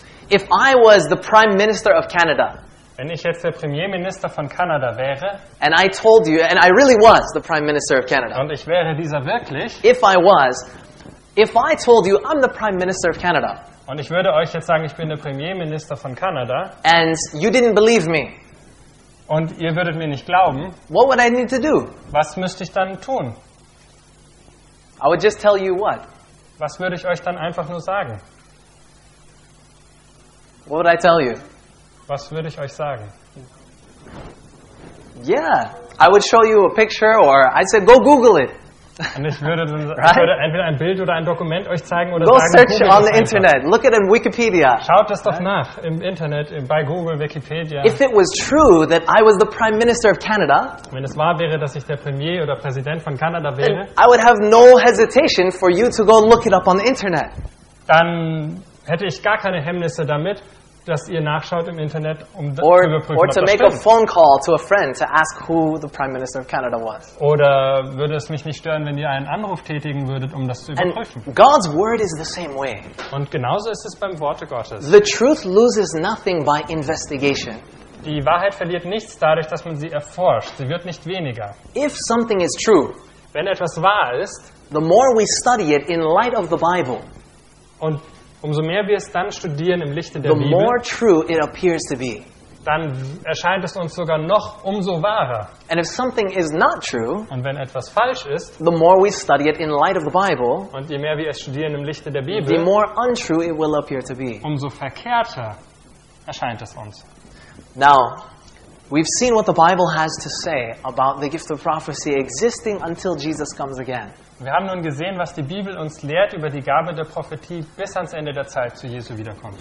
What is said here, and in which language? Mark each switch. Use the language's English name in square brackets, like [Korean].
[English] If I was the Prime Minister of Canada, [German] wenn ich jetzt der Premierminister von Kanada wäre, [English] and I told you, and I really was the Prime Minister of Canada, [German] und ich wäre dieser wirklich, [English] if I told you I'm the Prime Minister of Canada, [German] und ich würde euch jetzt sagen, ich bin der Premierminister von Kanada, [English] and you didn't believe me, [German] und ihr würdet mir nicht glauben, [English] what would I need to do? [German] Was müsste ich dann tun? [English] I would just tell you what. [German] Was würde ich euch dann einfach nur sagen? [English] What would I tell you? [German] Was würde ich euch sagen? [English] Yeah, I would show you a picture or I'd say go Google it. [German] Und ich würde dann [English] right? [German] Ich würde entweder ein Bild oder ein Dokument euch zeigen oder [English] go [German] sagen, [English] search Google on the internet. Look at it in Wikipedia. [German] Schaut das doch nach im Internet, bei Google, Wikipedia. [English] If it was true that I was the Prime Minister of Canada, [German] wenn es wahr wäre, dass ich der Premier oder Präsident von Kanada wäre, [English] I would have no hesitation for you to go look it up on the internet. [German] Dann hätte ich gar keine Hemmnisse damit, dass ihr nachschaut im Internet, um zu überprüfen, [English] or to make a phone call to a friend to ask who the Prime Minister of Canada was. [German] Oder würde es mich nicht stören, wenn ihr einen Anruf tätigen würdet, um das zu überprüfen. [English] And God's word is the same way. [German] Und genauso ist es beim Worte Gottes. [English] The truth loses nothing by investigation. [German] Die Wahrheit verliert nichts dadurch, dass man sie erforscht. Sie wird nicht weniger. [English] If something is true, [German] wenn etwas wahr ist, [English] the more we study it in light of the Bible, [German] und umso mehr wir es dann studieren im Lichte der [English] the [German] Bibel, [English] more true it appears to be. [German] Dann erscheint es uns sogar noch umso wahrer. [English] And if something is not true, [German] und wenn etwas falsch ist, [English] the more we study it in light of the Bible, [German] und je mehr wir es studieren im Lichte der Bibel, [English] the more untrue it will appear to be. [German] Umso verkehrter erscheint es uns. [English] Now, we've seen what the Bible has to say about the gift of prophecy existing until Jesus comes again. [German] Wir haben nun gesehen, was die Bibel uns lehrt über die Gabe der Prophetie bis ans Ende der Zeit zu Jesu wiederkommt.